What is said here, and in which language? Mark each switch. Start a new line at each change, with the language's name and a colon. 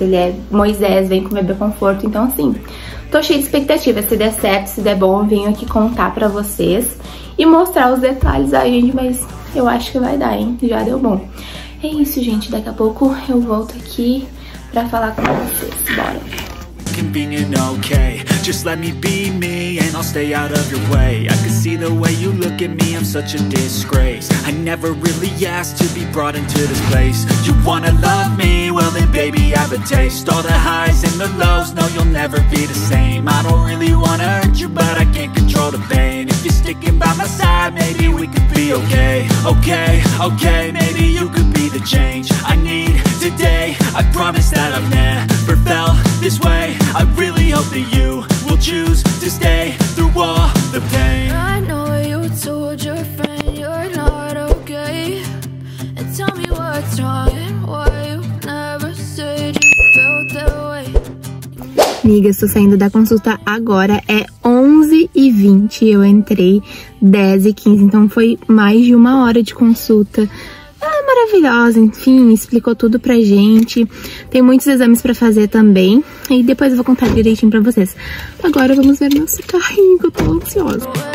Portuguese: Ele é Moisés, vem com o bebê conforto. Então, assim, tô cheia de expectativa. Se der certo, se der bom, eu venho aqui contar pra vocês e mostrar os detalhes aí, gente. Mas eu acho que vai dar, hein? Já deu bom. É isso, gente. Daqui a pouco eu volto aqui pra falar com vocês, bora.
English: Convenient, okay. Just let me be me and I'll stay out of your way. I can see the way you look at me, I'm such a disgrace. I never really asked to be brought into this place. You wanna love me? Well then baby I have a taste. All the highs and the lows, no you'll never be the same. I don't really wanna hurt you, but I can't control the pain. If you're sticking by my side, maybe we could be okay. Okay, okay, maybe you could be the change I need today. I promise that I've never felt this way. I really hope that you will choose to stay through all the pain. I know you told your friend you're not okay. And tell me what's wrong and why you never said you felt that way.
Portuguese: Amiga, estou saindo da consulta agora, é 11h20, eu entrei 10h15, então foi mais de uma hora de consulta. Maravilhosa, enfim, explicou tudo pra gente. Tem muitos exames pra fazer também. E depois eu vou contar direitinho pra vocês. Agora vamos ver nosso carrinho, que eu tô ansiosa.